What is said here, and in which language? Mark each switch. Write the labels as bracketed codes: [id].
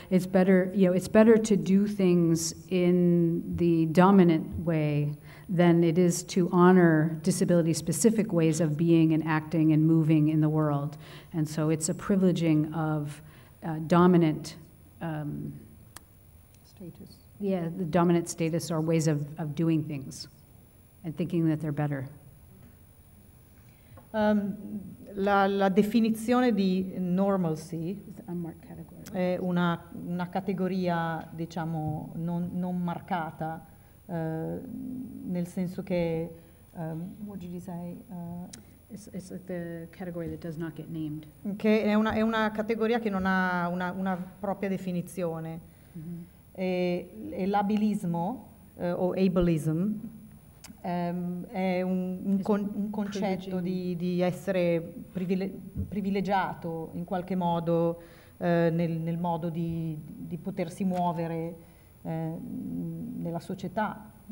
[en] It's better, you know, it's better to do things in the dominant way than it is to honor disability-specific ways of being and acting and moving in the world. And so it's a privileging of dominant status. Yeah, the dominant status or ways of doing things and thinking that they're better. [it] La definizione di normalcy è una categoria, diciamo, non marcata, nel senso che... [en] What did you say? It's like the category that does not get named. [it] Che è una categoria che non ha una propria definizione. Mm-hmm. E l'abilismo, o ableism, è un concetto di essere privilegiato in qualche modo nel modo di potersi muovere nella società